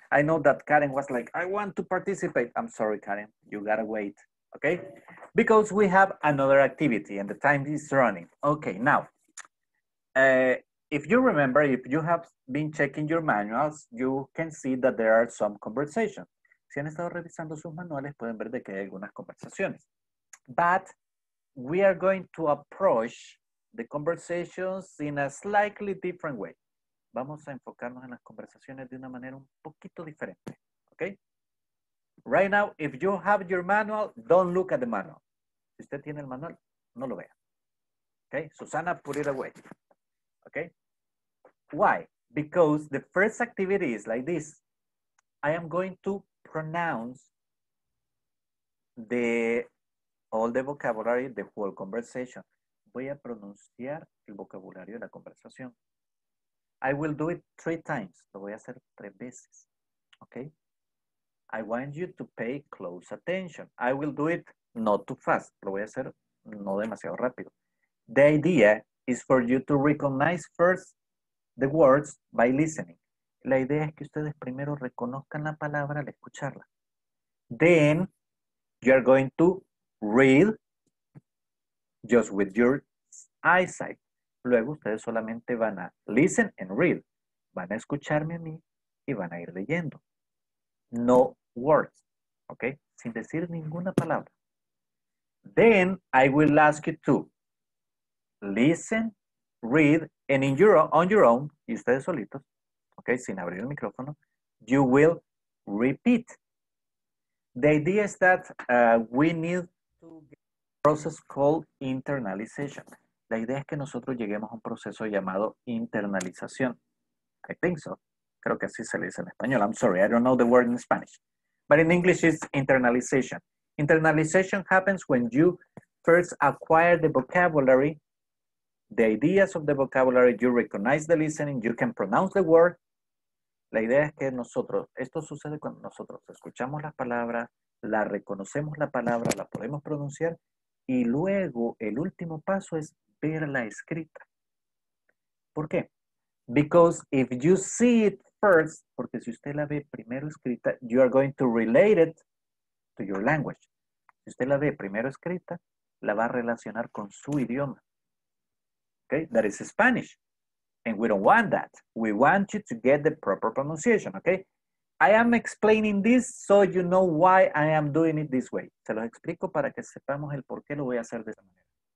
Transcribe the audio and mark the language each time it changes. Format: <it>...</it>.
<en>I know that Karen was like, I want to participate. I'm sorry, Karen. You gotta wait. Okay? Because we have another activity and the time is running. Okay, now. If you remember, if you have been checking your manuals, you can see that there are some conversations.</en> <es>Si han estado revisando sus manuales, pueden ver de que hay algunas conversaciones.</es> <en>But we are going to approach the conversations in a slightly different way.</en> <es>Vamos a enfocarnos en las conversaciones de una manera un poquito diferente.</es> <en>Okay? Right now, if you have your manual, don't look at the manual.</en> <es>Si usted tiene el manual, no lo vea.</es> <en>Okay? Susana, put it away. Okay? Why? Because the first activity is like this. I am going to pronounce all the vocabulary, the whole conversation.</en> <es>Voy a pronunciar el vocabulario de la conversación.</es> <en>I will do it 3 times.</en> <es>Lo voy a hacer 3 veces.</es> <en>Okay? I want you to pay close attention. I will do it not too fast.</en> <es>Lo voy a hacer no demasiado rápido.</es> <en>The idea is for you to recognize first the words by listening.</en> <es>La idea es que ustedes primero reconozcan la palabra al escucharla.</es> <en>Then, you are going to read just with your eyesight.</en> <es>Luego, ustedes solamente van a</es> <en>listen and read.</en> <es>Van a escucharme a mí y van a ir leyendo.</es> <en>No words,</en> <es>okay? Sin decir ninguna palabra.</es> <en>Then, I will ask you to listen, read, and on your own,</en> <es>y ustedes solitos,</es> <en>okay,</en> <es>sin abrir el micrófono,</es> <en>you will repeat. The idea is that we need to get a process called internalization.</en> <es>La idea es que nosotros lleguemos a un proceso llamado internalización.</es> <en>I think so.</en> <es>Creo que así se le dice en español.</es> <en>I'm sorry, I don't know the word in Spanish. But in English, it's internalization. Internalization happens when you first acquire the vocabulary. The ideas of the vocabulary, you recognize the listening, you can pronounce the word.</en> <es>La idea es que nosotros, esto sucede cuando nosotros escuchamos la palabra, la reconocemos la palabra, la podemos pronunciar, y luego el último paso es verla escrita. ¿Por qué?</es> <en>Because if you see it first,</en> <es>porque si usted la ve primero escrita,</es> <en>you are going to relate it to your language.</en> <es>Si usted la ve primero escrita, la va a relacionar con su idioma.</es> <en>Okay, that is Spanish. And we don't want that. We want you to get the proper pronunciation, okay? I am explaining this so you know why I am doing it this way.</en> <es>Se los explico para que sepamos el por qué lo voy a hacer de esta manera.</es>